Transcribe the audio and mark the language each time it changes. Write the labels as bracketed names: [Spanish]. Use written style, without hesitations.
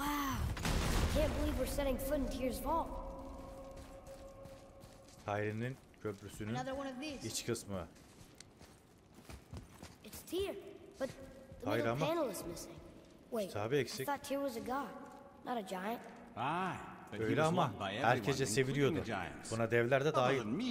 [English] I can't believe we're setting foot in Tyr's vault. [Turkish] Tyr'in köprüsünün iç kısmı. [English] It's Tyr, but the middle panel is missing. Wait. [Turkish] Tabi eksik. [English] I thought Tyr was a god, not a giant. Ah. [Turkish] Öyle ama herkese seviliyordu. Buna devler de dahil.